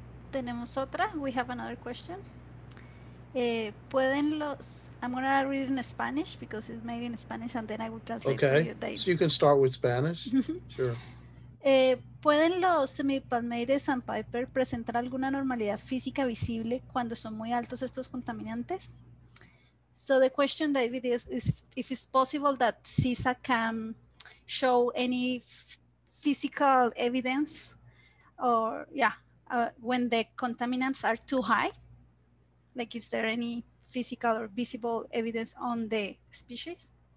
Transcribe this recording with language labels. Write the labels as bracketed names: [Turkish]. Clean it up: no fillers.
[Spanish] Tenemos otra. [English] We have another question. [Spanish] Pueden los... [English] I'm going to read in Spanish because it's made in Spanish and then I will translate okay. for you, David. So you can start with Spanish. Sure. [Spanish] ¿Pueden los semipalmeires sandpiper presentar alguna normalidad física visible cuando son muy altos estos contaminantes? [English] So the question, David, is if it's possible that CISA can show any physical evidence when the contaminants are too high? Like, is there any physical or visible evidence on the species?